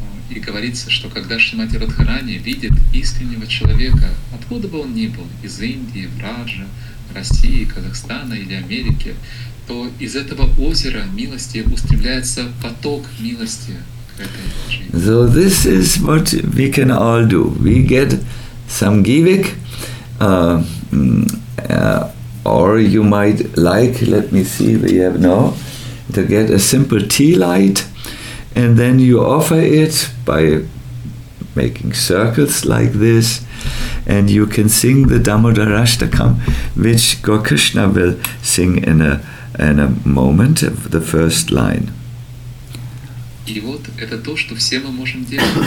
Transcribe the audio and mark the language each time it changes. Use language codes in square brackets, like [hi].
[ru] И говорится, что когда Шримати Радхарани видит искреннего человека, откуда бы он ни был, из Индии, Враджа, России, Казахстана или Америки, то из этого озера милости устремляется поток милости к этой жизни. [en] So this is what we can all do. We get some givik, or you might like, let me see, we have no, to get a simple tea light. And then you offer it by making circles like this, and you can sing the Damodar Ashtakam, which Gaur Krishna will sing in a moment of the first line. [ru] И вот это то, что все мы можем делать.